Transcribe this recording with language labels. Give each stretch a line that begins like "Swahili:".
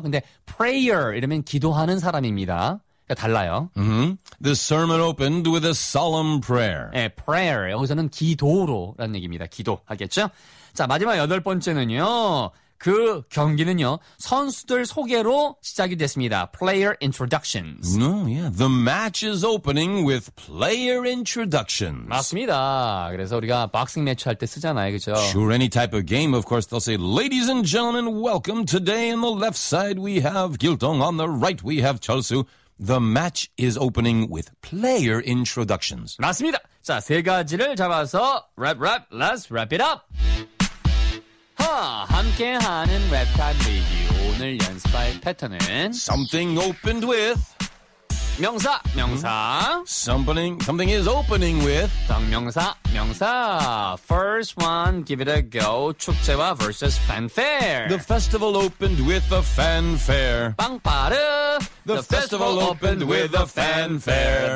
Korean: 근데 prayer 이러면 기도하는 사람입니다. 그러니까 달라요. Mm-hmm.
English: The sermon opened with a solemn prayer.
Korean: 네, prayer 여기서는 기도로라는 얘기입니다. 기도 하겠죠? 자, 마지막 여덟 번째는요. 그 경기는요. 선수들 소개로 시작이 됐습니다.
English: Player introductions. No, yeah. The match is opening with player introductions.
Korean: 맞습니다. 그래서 우리가 박싱 매치 할 때 쓰잖아요. 그렇죠?
English: Sure, any type of game, of course, they'll say, Ladies and gentlemen, welcome. Today on the left side we have Giltong. On the right we have Chulsu. The match is opening with player introductions.
Korean: 맞습니다. 자, 세 가지를 잡아서 랩,
English: let's wrap it up.
Korean: 함께하는 랩타임 리뷰 오늘 연습할 패턴은
English: Something opened with
Korean: 명사
English: Something is opening with 명사 First one, give it a go 축제와 versus fanfare The festival opened with a fanfare
Korean: 빵빠르
English: The festival opened with a fanfare